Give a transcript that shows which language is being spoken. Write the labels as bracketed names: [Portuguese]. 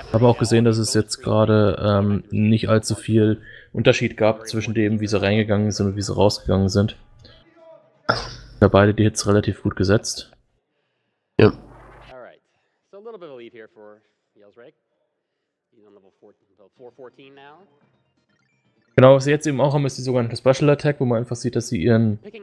[German] Habe auch gesehen, dass es jetzt gerade nicht allzu viel Unterschied gab zwischen dem, wie sie reingegangen sind und wie sie rausgegangen sind. Da beide die Hits relativ gut gesetzt. Ja. [English] Alright. So a little bit of a lead here for Yelzreg. He's on level 414 now. [German] Genau, was sie jetzt eben auch haben, ist die sogenannte Special Attack, wo man einfach sieht, dass sie ihren.